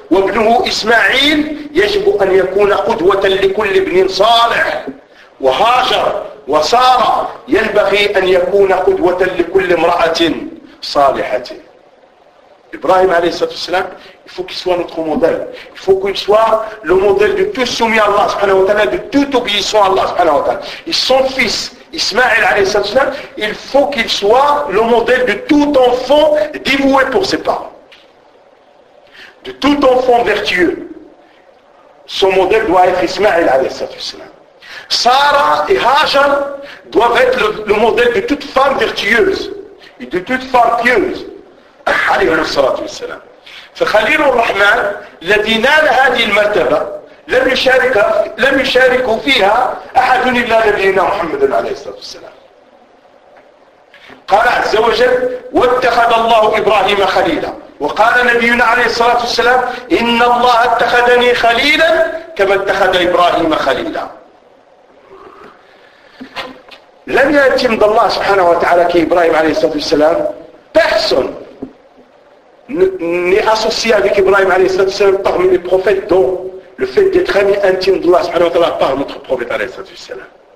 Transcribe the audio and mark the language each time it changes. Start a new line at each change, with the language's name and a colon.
Arabic: وابنه إسماعيل يجب أن يكون قدوة لكل ابن صالح وهاجر وسارة ينبغي أن يكون قدوة لكل امرأة صالحة.
French: إبراهيم عليه الصلاة والسلام il faut qu'il soit notre modèle. Il faut qu'il soit le modèle de tout soumis à Allah subhanahu wa ta'ala, de tout obéissant à Allah subhanahu wa ta'ala. Et son fils Ismaël عليه الصلاة والسلام il faut qu'il soit le modèle de tout enfant dévoué pour ses parents. De tout enfant vertueux, son modèle doit être Ismaël alayhi salatu wassalam. Sarah et Hajar doivent être le modèle de toute femme vertueuse et de toute femme pieuse alayhi salatu wassalam.
Arabic: Fa Khalil al-Rahman alladhi nala hadhihi al-martaba lam yusharik fiha ahad illa nabiyyuna Muhammad alayhi salatu wassalam. قال عز وجل واتخذ الله إبراهيم خليلا وقال نبينا عليه الصلاة والسلام إن الله اتخذني خليلا كما اتخذ إبراهيم خليلا. لم يأتي من الله سبحانه وتعالى كإبراهيم عليه الصلاة والسلام
French: personne n'est associé avec Ibrahim عليه الصلاة والسلام parmi les prophètes dont le fait d'être ami intime d'Allah سبحانه وتعالى par notre prophète عليه الصلاة والسلام.